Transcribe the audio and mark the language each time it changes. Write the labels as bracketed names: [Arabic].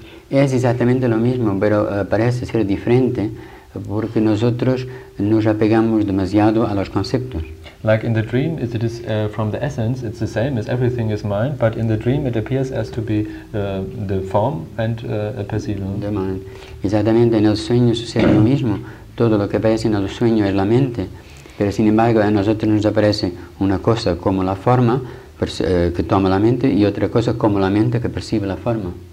[Spanish] Es exactamente lo mismo, pero parece ser diferente porque nosotros nos apegamos demasiado a los conceptos. [English] Like in the dream, it is from the essence, it's the same as everything is mind, but in the dream it appears as to be the form and a perceiver. The mind. [Spanish] Exactamente, en el sueño sucede lo mismo. Todo lo que aparece en el sueño es la mente, pero sin embargo a nosotros nos aparece una cosa como la forma que toma la mente y otra cosa como la mente que percibe la forma.